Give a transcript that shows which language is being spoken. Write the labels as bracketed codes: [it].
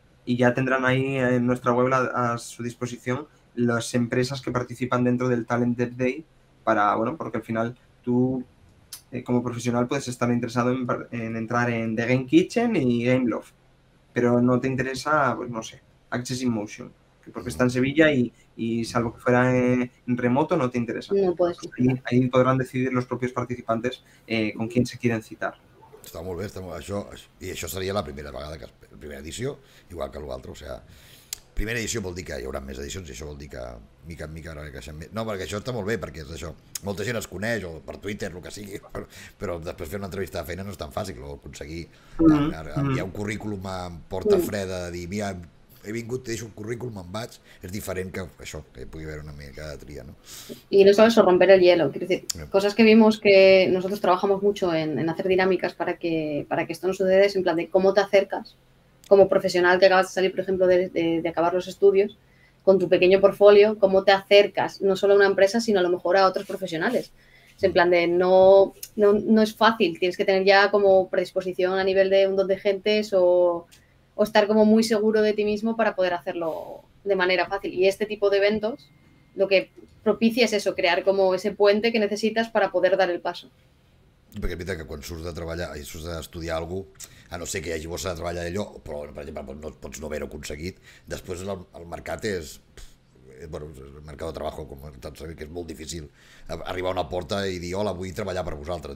[es] Y ya tendrán ahí en nuestra web a su disposición las empresas que participan dentro del Talent Dev Day para, bueno, porque al final tú, como profesional puedes estar interesado en entrar en The Game Kitchen y Gameloft, pero no te interesa, pues no sé, Access in Motion, porque está en Sevilla y salvo que fuera en remoto no te interesa. No puedes. Ahí podrán decidir los propios participantes con quién se quieren citar. [ca] Está molt bé, això, i això seria la primera vegada, que la primera edició, igual que l'altre, o sea, primera edició vol dir que hi haurà més edicions, i això vol dir que mica en mica ara creixem més. No, perquè això està molt bé, perquè és això, molta gent es coneix, o per Twitter, el que sigui, però després fer una entrevista de feina no és tan fàcil, o aconseguir enviar un currículum en porta freda, de dir, mira, he vingut, te deixo un currículum, me'n vaig, és diferent que això, que pugui haver una mica de tria, no? [es] Y no solo eso, romper el hielo, quiero decir, cosas que vimos que nosotros trabajamos mucho en hacer dinámicas para que esto no suceda, es en plan de cómo te acercas como profesional que acabas de salir, por ejemplo, de acabar los estudios, con tu pequeño portfolio, cómo te acercas no solo a una empresa, sino a lo mejor a otros profesionales. Es en plan de no es fácil, tienes que tener ya como predisposición a nivel de un don de gentes o estar como muy seguro de ti mismo para poder hacerlo de manera fácil. Y este tipo de eventos lo que propicia es eso, crear como ese puente que necesitas para poder dar el paso. [ca] Perquè evita que quan surts de treballar i surts d'estudiar alguna cosa, a no ser que hi hagi bossa de treballar d'allò, però per exemple no pots no haver-ho aconseguit, després el mercat és... Bueno, el mercat de treball, com tant sabem, que és molt difícil arribar a una porta i dir hola, vull treballar per vosaltres.